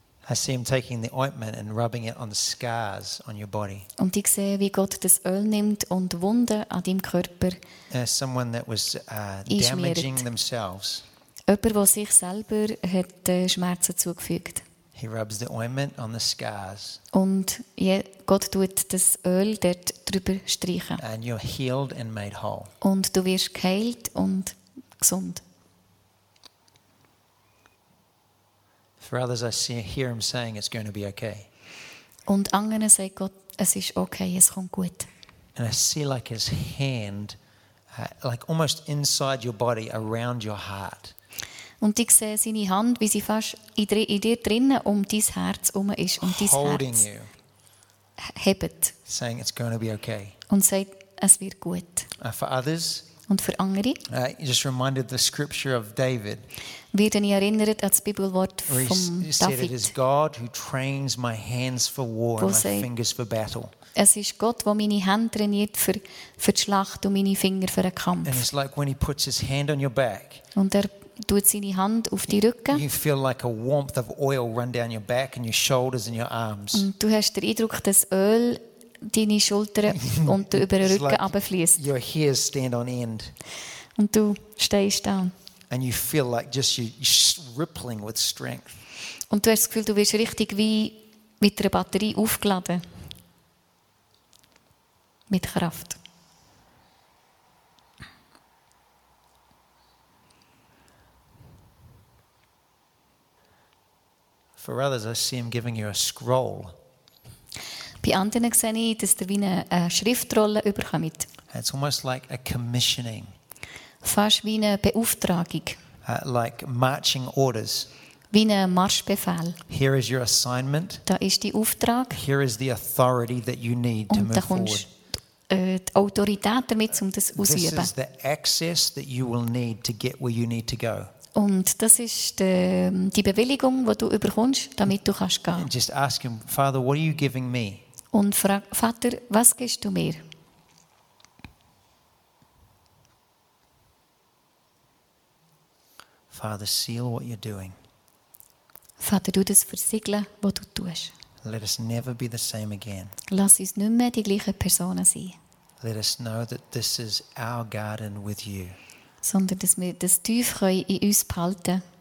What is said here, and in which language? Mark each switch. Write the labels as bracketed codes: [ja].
[en] I see him taking the ointment and rubbing it on the scars on your body. [de] Und ich sehe, wie Gott das Öl nimmt und Wunden an deinem Körper. [en] Someone that was damaging themselves. [de] Jemand, der sich selber hat Schmerzen zugefügt. [en] He rubs the ointment on the scars. [de] Und Gott tut das Öl dort drüber streichen. [en] And you're healed and made whole. [de] Und du wirst geheilt und gesund. [en] For others, I see, hear him saying it's going to be okay. [de] Und anderen sagt Gott, es ist okay, es kommt gut. [en] and I see like his hand like almost inside your body around your heart. [de] Und ich sehe seine Hand, wie sie fast in dir drinnen um dein Herz herum ist und dein [en] holding [de] Herz [en] you, [de] hebt. [en] Saying it's going to be okay. [de] Und sagt, es wird gut. [en] For others, [de] und für andere, [en] just reminded the scripture of David, [de] wird ihn erinnert an das Bibelwort von David. [en] Said, it is God who trains my hands for war and my fingers for battle. [de] Es ist Gott, der meine Hände trainiert für die Schlacht und meine Finger für den Kampf. [en] And it's like when he puts his hand on your back, [de] und er tut seine Hand auf die Rücken. [en] You feel like a warmth of oil run down your back and your shoulders and your arms. [de] Und du hast den Eindruck, dass Öl deine Schultern und über den Rücken abfließt. [en] Your hairs stand on end. [de] Und du stehst da. [en] And you feel like just you're rippling with strength. [de] Und du hast das Gefühl, du wirst richtig wie mit einer Batterie aufgeladen. Mit Kraft. [en] For others, I see him giving you a scroll. [de] Bei anderen sehe ich, dass ihr wie eine Schriftrolle überkommt. [en] It's almost like a commissioning. [de] Fast wie eine Beauftragung. [en] Like marching orders. [de] Wie ein Marschbefehl. [en] Here is your assignment. [de] Da ist die Auftrag. [en] Here is the authority that you need to move forward. [de] Die Autorität damit, um das auszuüben. [en] This is the access that you will need to get where you need to go. [de] Und das ist die Bewilligung, die du überkommst, damit du kannst gehen. [en] And just ask him, Father, what are you giving me? [de] Und frag, Vater, was gibst du mir? [en] Father, seal what you're doing. [de] Vater, du das versiegeln, was du tust. [en] Let us never be the same again. [de] Lass uns nicht mehr die gleichen Personen sein. [en] Let us know that this is our garden with you. [de] Sondern dass wir das tief in uns behalten